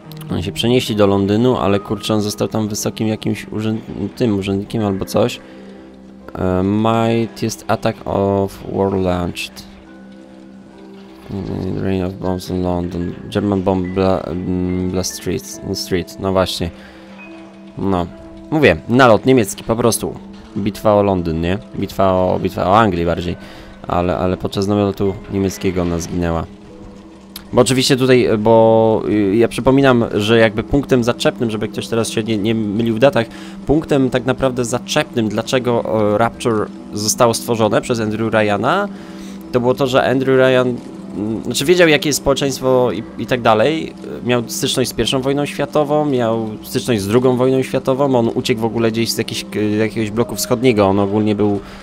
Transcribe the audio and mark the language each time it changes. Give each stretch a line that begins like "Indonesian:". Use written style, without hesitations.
Polish: Oni się przenieśli do Londynu, ale kurczę, on został tam wysokim jakimś urzędnikiem albo coś.
English: Mightiest attack of war launched. Rain of bombs in London. German bomb blast street.
Polish: No właśnie. No. Mówię, nalot niemiecki, po prostu. Bitwa o Londyn, nie? Bitwa o Anglii bardziej. Ale podczas namiotu niemieckiego ona zginęła. Bo oczywiście tutaj, bo ja przypominam, że jakby punktem zaczepnym, żeby ktoś teraz się nie mylił w datach, punktem tak naprawdę zaczepnym, dlaczego Rapture zostało stworzone przez Andrew Ryana, to było to, że Andrew Ryan, znaczy wiedział, jakie jest społeczeństwo i tak dalej, miał styczność z pierwszą wojną światową, miał styczność z drugą wojną światową, on uciekł w ogóle gdzieś z jakiegoś bloku wschodniego, on ogólnie był...